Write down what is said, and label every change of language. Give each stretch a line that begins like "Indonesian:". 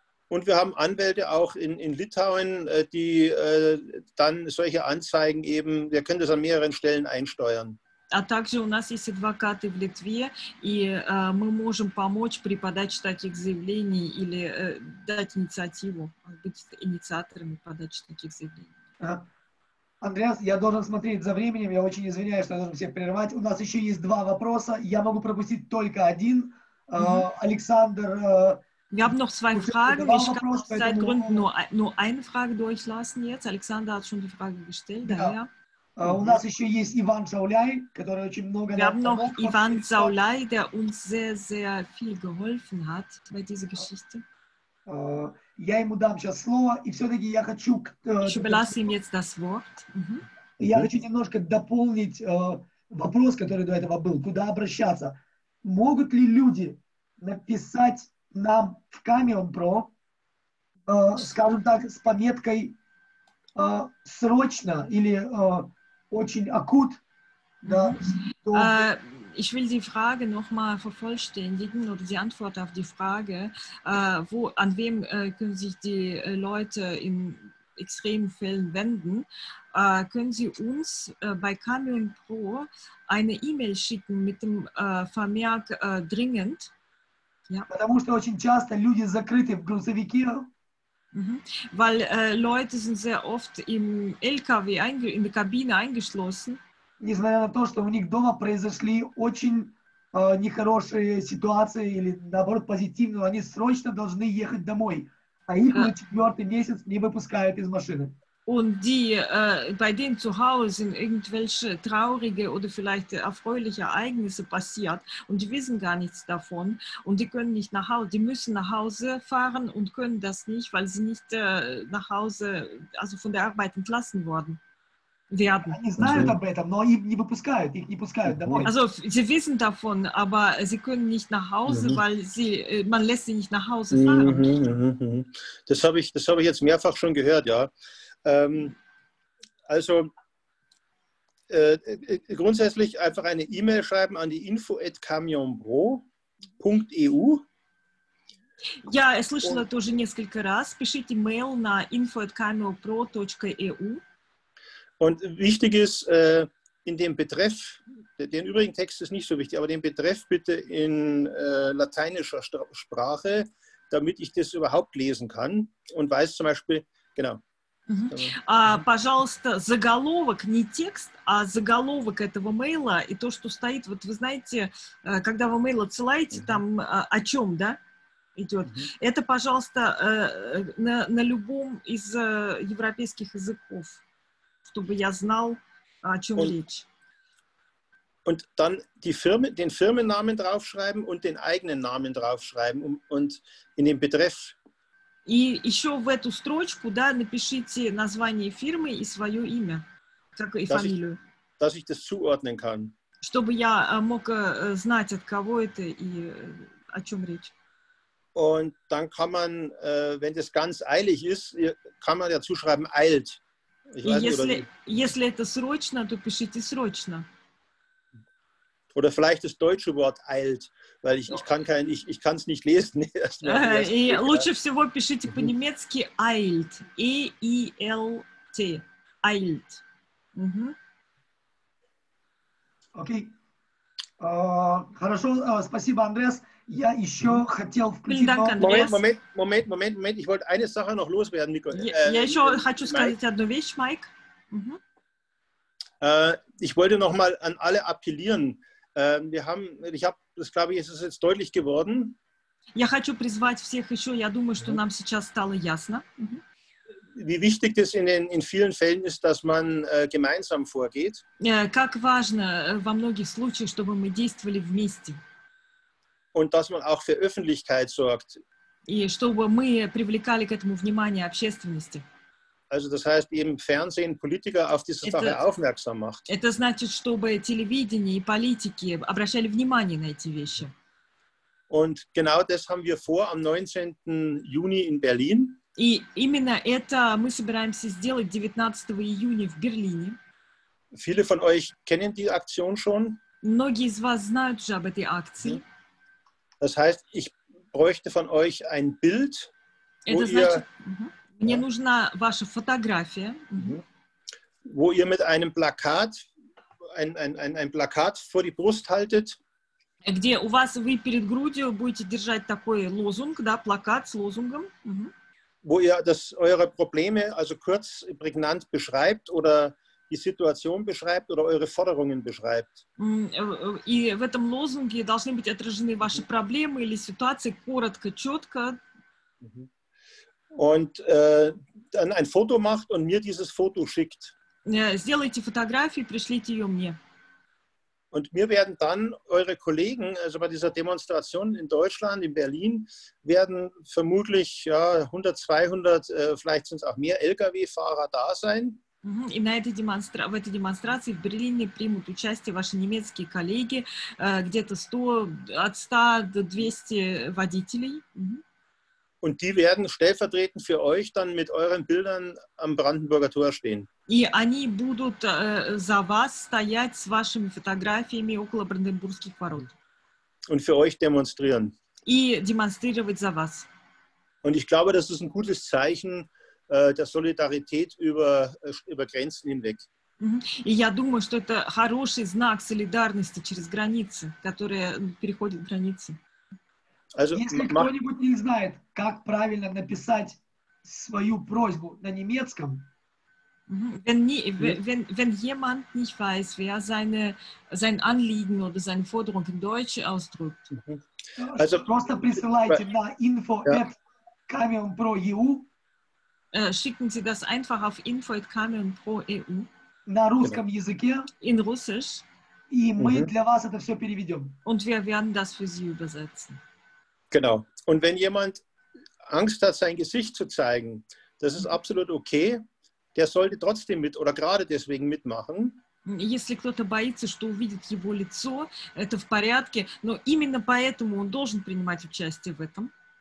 German: Und wir haben Anwälte auch in Litauen, die dann solche Anzeigen eben, wir können das an mehreren Stellen einsteuern.
Russian: А также у нас есть адвокаты в Литве, и мы можем помочь при подаче таких заявлений или дать инициативу, быть инициаторами подачи таких заявлений. Андреас, я должен смотреть за временем, я очень извиняюсь, что я должен всех прервать. У нас еще есть два вопроса, я могу пропустить только один. Александр...
German: Wir haben noch zwei Fragen. Ich kann aus Zeitgründen nur eine Frage durchlassen jetzt. Alexander hat schon die Frage gestellt. Ja. Daher. Wir haben noch Ivan Zaulay, der uns sehr, sehr viel geholfen hat bei dieser Geschichte. Ich überlasse ihm jetzt das Wort. Ich möchte noch ein bisschen ergänzen, der vorher war. Wohin zu wenden? Können die Leute schreiben,
Russian: нам в Camion Pro, скажем так, с пометкой срочно или очень акут. Да,
German: ich will die Frage nochmal vervollständigen oder die Antwort auf die Frage, wo, an wem können sich die Leute in extremen Fällen wenden. Können Sie uns bei Camion Pro eine E-Mail schicken mit dem Vermerk dringend?
Russian: Потому что очень часто люди закрыты в грузовике.
German: Weil Leute sind sehr oft im LKW, in der Kabine eingeschlossen.
Russian: Несмотря на то, что у них дома произошли очень нехорошие ситуации или наоборот позитивные, они срочно должны ехать домой. А их на четвертый месяц не выпускают из машины.
German: Und die, bei denen zu Hause sind irgendwelche traurige oder vielleicht erfreuliche Ereignisse passiert und die wissen gar nichts davon und die können nicht nach Hause, die müssen nach Hause fahren und können das nicht, weil sie nicht nach Hause, also von der Arbeit entlassen worden werden. Also sie wissen davon, aber sie können nicht nach Hause, weil sie, man lässt sie nicht nach Hause fahren. Das habe ich jetzt mehrfach schon gehört, ja. Also grundsätzlich einfach eine E-Mail schreiben an die info@camionpro.eu.
Russian: Я слышала тоже несколько раз. Пишите mail на info@camionpro.eu.
German: Und wichtig ist in dem Betreff, den übrigen Text ist nicht so wichtig, aber den Betreff bitte in lateinischer Sprache, damit ich das überhaupt lesen kann und weiß zum Beispiel, genau.
Russian: Пожалуйста, заголовок, не текст, а заголовок этого мейла и то, что стоит, вот вы знаете, когда вы мейл отсылаете, там о чем, да, идет. Это, пожалуйста, на любом из европейских языков, чтобы я знал, о чем речь.
German: Und dann die Firma, den Firmennamen draufschreiben und den eigenen Namen draufschreiben und in den Betreff.
Russian: И еще в эту строчку, да, напишите название фирмы и свое имя, как и фамилию.
German: Dass ich das zuordnen kann.
Russian: Чтобы я мог знать, от кого это и о чем речь.
German: Und dann kann man, wenn das ganz eilig ist, kann man dazu schreiben, eilt.
Russian: Если это срочно, то пишите срочно.
German: Oder vielleicht das deutsche Wort eilt, weil ich kann es nicht lesen.
Russian: Лучше всего пишите по-немецки eilt.
German: E-I-L-T. Eilt.
Russian: Окей. Хорошо, спасибо, Андреас. Я еще хотел включить...
German: Момент, ich wollte eine Sache noch loswerden, Nico.
Russian: Я еще хочу сказать одну вещь, Майк.
German: Ich wollte noch mal an alle appellieren. Das glaube ich, ist es jetzt deutlich geworden.
Russian: Я хочу призвать всех еще, я думаю, что нам сейчас стало ясно.
German: Wie wichtig es in vielen Fällen ist, dass man gemeinsam vorgeht.
Russian: Как важно во многих случаях, чтобы мы действовали вместе.
German: Und dass man auch für Öffentlichkeit sorgt.
Russian: И чтобы мы привлекали к этому внимание общественности.
German: Also das heißt, eben Fernsehen, Politiker auf diese Sache aufmerksam macht.
Russian: Это значит, чтобы телевидение и политики обращали внимание на эти вещи.
German: Und genau das haben wir vor am 19. Juni in Berlin.
Russian: И именно это мы собираемся сделать 19 июня в Берлине.
German: Viele von euch kennen die Aktion schon.
Russian: Многие из вас знают уже об этой акции.
German: Das heißt, ich bräuchte von euch ein Bild,
Russian: это wo значит, ihr... Мне нужна ваша фотография.
German: Wo ihr mit einem Plakat, ein Plakat vor die Brust haltet.
Russian: Где у вас вы перед грудью будете держать такой лозунг, да, плакат с лозунгом.
German: Wo ihr das, eure Probleme also kurz prägnant beschreibt oder die Situation beschreibt oder eure Forderungen beschreibt.
Russian: И в этом лозунге должны быть отражены ваши проблемы или ситуации коротко, четко.
German: Und dann ein Foto macht und mir dieses Foto schickt.
Russian: Сделайте фотографию, пришлите ее мне.
German: Und mir werden dann eure Kollegen, also bei dieser Demonstration in Deutschland, in Berlin, werden vermutlich ja, 100, 200, vielleicht sind es auch mehr Lkw-Fahrer da sein.
Russian: И на этой в этой демонстрации в Берлине примут участие ваши немецкие коллеги, где-то 100, от 100 до 200 водителей.
German: Und die werden stellvertretend für euch dann mit euren Bildern am Brandenburger Tor stehen.
Russian: И они будут за вас стоять с вашими фотографиями около Бранденбургских ворот.
German: Und für euch demonstrieren.
Russian: И демонстрировать за вас.
German: Und ich glaube, das ist ein gutes Zeichen der Solidarität über Grenzen hinweg.
Russian: И я думаю, что это хороший знак солидарности через границы, которые переходят границы. Also, если кто-нибудь не знает, как правильно написать свою просьбу на немецком,
German: wenn jemand nicht weiß, wer sein Anliegen oder seine Forderung in Deutsch ausdrückt,
Russian: also, просто присылайте на info@kamionpro.eu.
German: Schicken Sie das einfach auf info@kamionpro.eu.
Russian: На русском языке.
German: In Russisch.
Russian: И мы для вас это все переведем.
German: Und wir werden das für Sie übersetzen. Genau. Und wenn jemand Angst hat, sein Gesicht zu zeigen, das ist absolut okay. Der sollte trotzdem mit oder gerade deswegen mitmachen.
Russian: Если кто-то боится, что увидит его лицо, это в порядке, но именно поэтому он должен принимать участие в этом.